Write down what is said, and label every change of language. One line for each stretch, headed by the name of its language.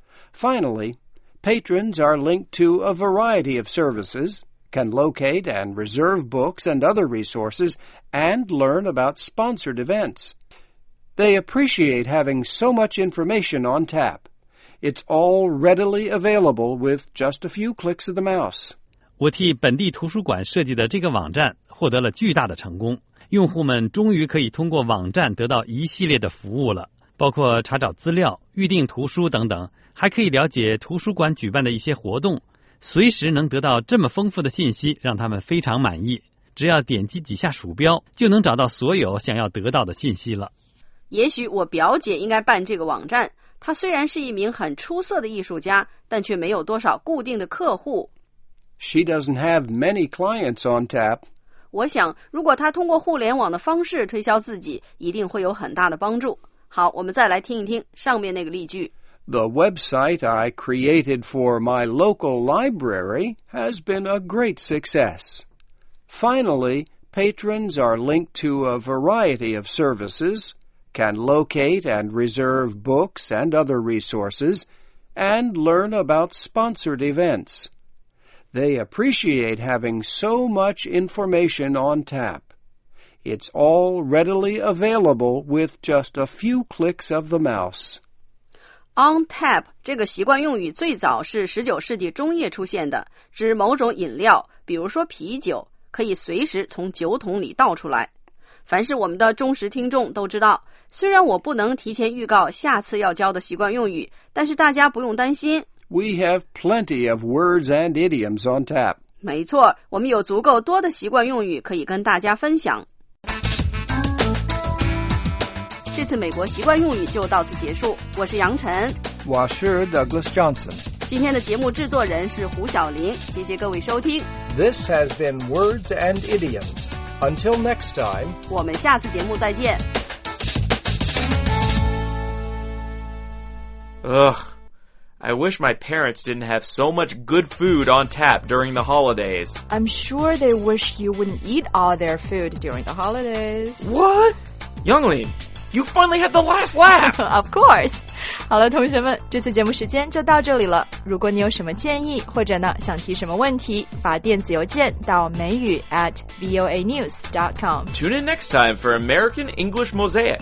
English: Finally, patrons are linked to a variety of services, can locate and reserve books and other resources, and learn about sponsored events. They appreciate having so much information on tap. It's all readily available with just a few clicks of the mouse.
Chinese: 我替本地图书馆设计的这个网站获得了巨大的成功。用户们终于可以通过网站得到一系列的服务了，包括查找资料、预订图书等等，还可以了解图书馆举办的一些活动，随时能得到这么丰富的信息，让他们非常满意。只要点击几下鼠标，就能找到所有想要得到的信息了。也许我表姐应该办这个网站，她虽然是一名很出色的艺术家，但却没有多少固定的客户。
English: She doesn't have many clients on tap.
Chinese: 我想，如果她通过互联网的方式推销自己，一定会有很大的帮助。好，我们再来听一听上面那个例句。
English: The website I created for my local library has been a great success. Finally, patrons are linked to a variety of services. Can locate and reserve books and other resources, and learn about sponsored events. They appreciate having so much information on tap. It's all readily available with just a few clicks of the mouse.
Chinese: On tap 这个习惯用语最早是19世纪中叶出现的，指某种饮料，比如说啤酒，可以随时从酒桶里倒出来。凡是我们的忠实听众都知道，虽然我不能提前预告下次要教的习惯用语，但是大家不用担心。
English: We have plenty of words and idioms on tap.
Chinese: 没错，我们有足够多的习惯用语可以跟大家分享。这次美国习惯用语就到此结束，我是杨晨。我是 Douglas Johnson。今天的节目制作人是胡晓玲，谢谢各位收听。
English: This has been Words and Idioms. Until next time,
Chinese: 我们下次节目再见。
English: Ugh, I wish my parents didn't have so much good food on tap during the holidays. I'm sure they wish you wouldn't eat all their food during the holidays. What? Youngling, you finally had the last laugh! Of course!
Chinese: 好了，同学们，这次节目时间就到这里了。如果你有什么建议，或者呢想提什么问题，发电子邮件到美语@voanews.com.
English: Tune in next time for American English Mosaic.